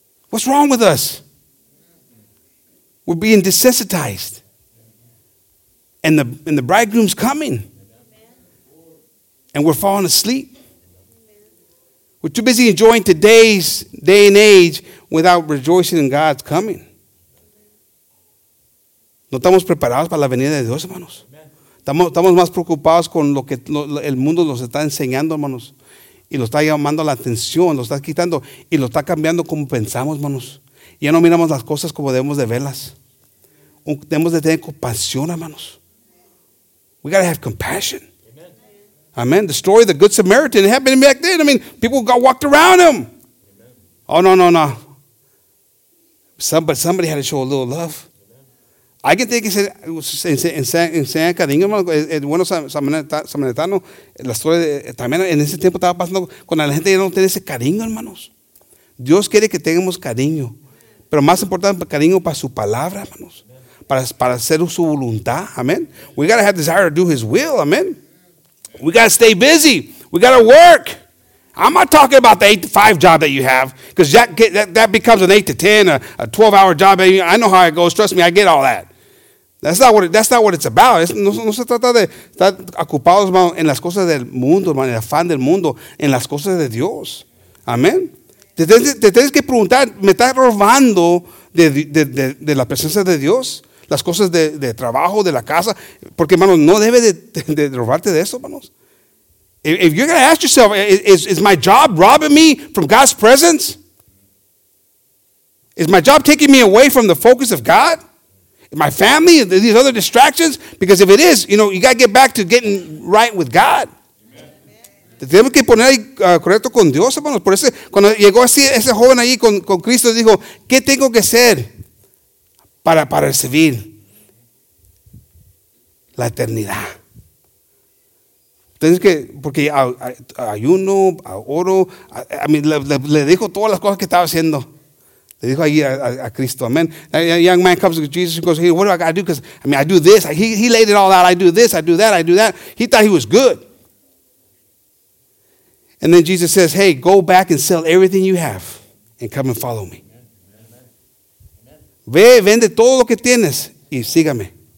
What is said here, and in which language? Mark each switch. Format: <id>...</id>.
<en>What's wrong with us? We're being desensitized. And the bridegroom's coming. And we're falling asleep. We're too busy enjoying today's day and age without rejoicing in God's coming.</en> <es>No estamos preparados para la venida de Dios, hermanos. Estamos más preocupados con lo que el mundo nos está enseñando, hermanos. Y lo está llamando la atención, lo está quitando. Y lo está cambiando como pensamos, hermanos. Ya no miramos las cosas como debemos de verlas. Debemos de tener compasión, hermanos.</es> <en>We got to have compassion. Amen. Amen. The story of the Good Samaritan, it happened back then. I mean, people got walked around him. Amen. Oh, no. Somebody had to show a little love. Amen. I can think,</en> <es>en San Cariño, bueno, Samaritano, la historia también en ese tiempo estaba pasando con la gente ya no tiene ese cariño, hermanos. Dios quiere que tengamos cariño. Pero más importante, cariño para su palabra, hermanos. Para hacer su voluntad,</es> <en>amen. We got to have desire to do his will, amen. We got to stay busy. We got to work. I'm not talking about the 8-to-5 job that you have, because that becomes an 8-to-10, a 12-hour job. I know how it goes. Trust me, I get all that. That's not what it's about.</en> <es>No se trata de estar ocupados en las cosas del mundo, en el afán del mundo, en las cosas de Dios. Amen. Te tienes que preguntar, ¿me estás robando de la presencia de Dios? Las cosas de trabajo, de la casa. Porque, hermanos, no debe de robarte de eso, hermanos.</es> <en>If you're going to ask yourself, is my job robbing me from God's presence? Is my job taking me away from the focus of God? My family, these other distractions? Because if it is, you know, you got to get back to getting right with God.</en> <es>Tenemos que poner ahí correcto con Dios, hermanos. Por eso, cuando llegó así ese joven ahí con Cristo, dijo, ¿qué tengo que hacer? Para recibir la eternidad. Tienes que, porque ayuno, oro, le dijo todas las cosas que estaba haciendo. Le dijo ahí a Cristo, amen.</es> <en>A young man comes to Jesus and goes, hey, what do I got to do? Because, I mean, I do this. He laid it all out. I do this, I do that, I do that. He thought he was good. And then Jesus says, hey, go back and sell everything you have and come and follow me.</en> <es>Ve, vende todo lo que tienes y sígame.</es>